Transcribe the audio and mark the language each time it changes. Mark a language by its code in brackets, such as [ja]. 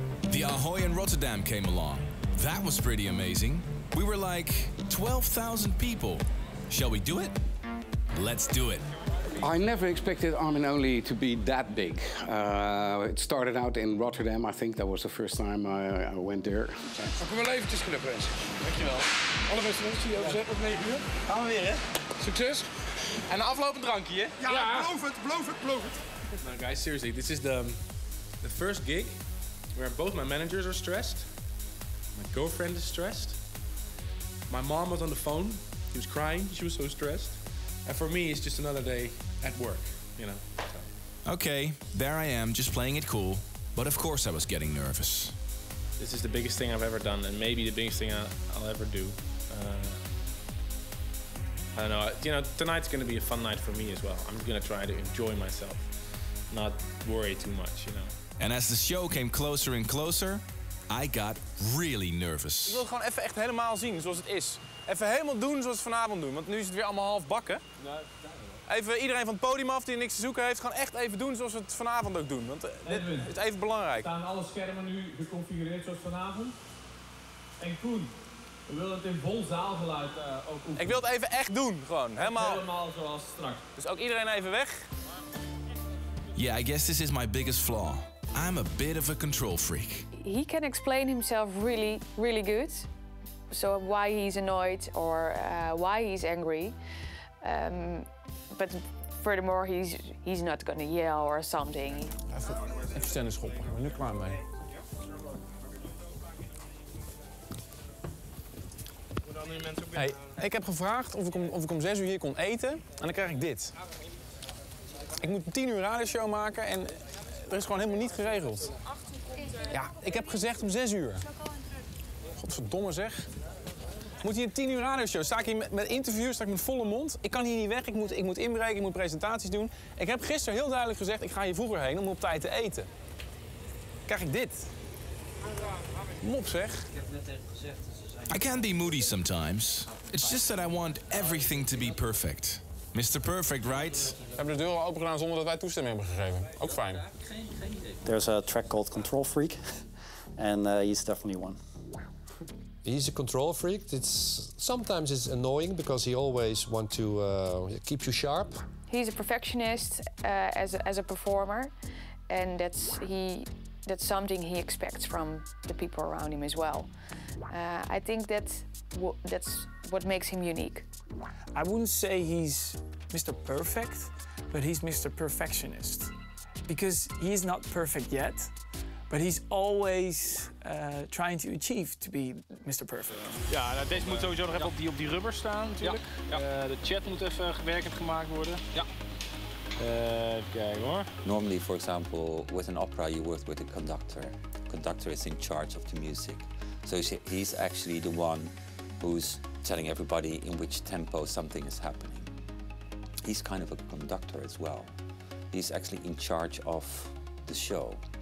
[en] The Ahoy in Rotterdam came along. That was pretty amazing. We were like 12,000 people. Shall we do it? Let's do it. I never expected Armin Only to be that big. It started out in Rotterdam. I think that was the first time I went there. [nl] Ik heb wel eventjes kunnen prijzen. Dankjewel. Alle beste mensen, die overzet op 9 uur. Gaan we weer, hè? Succes. En een aflopend drankje, hè? Ja, ja. Beloof het. [en] Now guys, seriously, this is the first gig where both my managers are stressed. My girlfriend is stressed. My mom was on the phone. She was crying. She was so stressed. And for me, it's just another day at work, you know. So. Okay, there I am, just playing it cool. But of course, I was getting nervous. This is the biggest thing I've ever done, and maybe the biggest thing I'll ever do. I don't know. You know, tonight's going to be a fun night for me as well. I'm going to try to enjoy myself, not worry too much, you know. And as the show came closer and closer, I got really nervous. [nl] Ik wil gewoon even echt helemaal zien zoals het is. Even helemaal doen zoals we vanavond doen, want nu is het weer allemaal half bakken. Even iedereen van het podium af die niks te zoeken heeft, gewoon echt even doen zoals we het vanavond ook doen, want dit is even belangrijk. Staan alle schermen nu geconfigureerd zoals vanavond? En Koen, We willen het in vol zaalgeluid ook oefenen. Ik wil het even echt doen, gewoon. Helemaal. Helemaal zoals straks. Dus ook iedereen even weg. [en] Yeah, I guess this is my biggest flaw. I'm a bit of a control freak. He can explain himself really, really good. So why he's annoyed or why he's angry. But furthermore, he's not gonna yell or something. [nl] Even tennis schoppen, we zijn er klaar mee. Hey, ik heb gevraagd of ik om 6 uur hier kon eten en dan krijg ik dit. Ik moet 10 uur radioshow maken en er is gewoon helemaal niet geregeld. Ja, ik heb gezegd om 6 uur. Godverdomme zeg. Moet hier 10 uur radioshow? Sta ik hier met interviews, sta ik met volle mond? Ik kan hier niet weg, ik moet inbreken, ik moet presentaties doen. Ik heb gisteren heel duidelijk gezegd, ik ga hier vroeger heen om op tijd te eten. Krijg ik dit. Mop zeg. Ik heb net tegen gezegd. [en] I can be moody sometimes. It's just that I want everything to be perfect. Mr. Perfect, right? [nl] We hebben de deur al open gedaan zonder dat wij toestemming hebben gegeven. Ook fijn. [en] There's a track called Control Freak. And he's definitely one. He's a control freak. Sometimes it's annoying because he always wants to keep you sharp. He's a perfectionist as a performer. And that's something he expects from the people around him as well. I think that's what makes him unique. I wouldn't say he's Mr. Perfect, but he's Mr. Perfectionist. Because he is not perfect yet, but he's always trying to achieve to be Mr. Perfect. [nl] Ja, nou, deze moet sowieso nog even op die rubber staan natuurlijk. Ja. De chat moet even gewerkend gemaakt worden. Ja. Kijk hoor. [en] Normally, for example, with an opera you work with a conductor. The conductor is in charge of the music. So he's actually the one who's telling everybody in which tempo something is happening. He's kind of a conductor as well. He's actually in charge of the show.